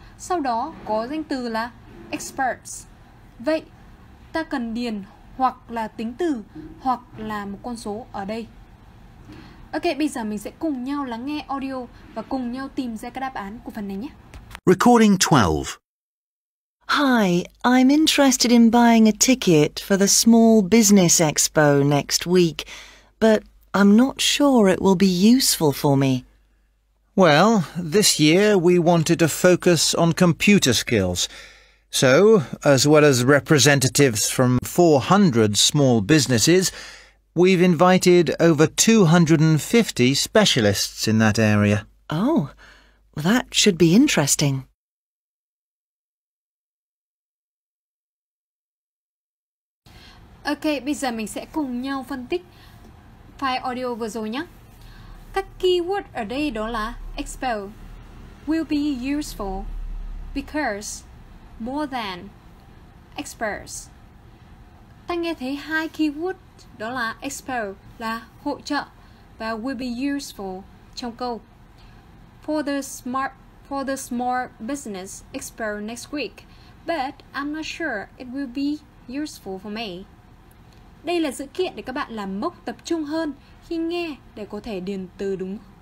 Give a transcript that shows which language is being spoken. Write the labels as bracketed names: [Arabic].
[Vietnamese] Sau đó có danh từ là experts. Vậy ta cần điền hoặc là tính từ hoặc là một con số ở đây. Ok, bây giờ mình sẽ cùng nhau lắng nghe audio và cùng nhau tìm ra các đáp án của phần này nhé. [English] Recording 12. Hi, I'm interested in buying a ticket for the Small Business Expo next week, but I'm not sure it will be useful for me. Well, this year we wanted to focus on computer skills. So, as well as representatives from 400 small businesses, we've invited over 250 specialists in that area. Oh, well, that should be interesting. [Vietnamese] Ok, bây giờ mình sẽ cùng nhau phân tích file audio vừa rồi nhé. Các keyword ở đây đó là [English] expo, will be useful, because, more than, experts. [Vietnamese] Ta nghe thấy hai keyword đó là expo là hỗ trợ và [English] will be useful [Vietnamese] trong câu. [English] For the small business expo next week, but I'm not sure it will be useful for me. [Vietnamese] Đây là dữ kiện để các bạn làm mốc tập trung hơn khi nghe để có thể điền từ đúng.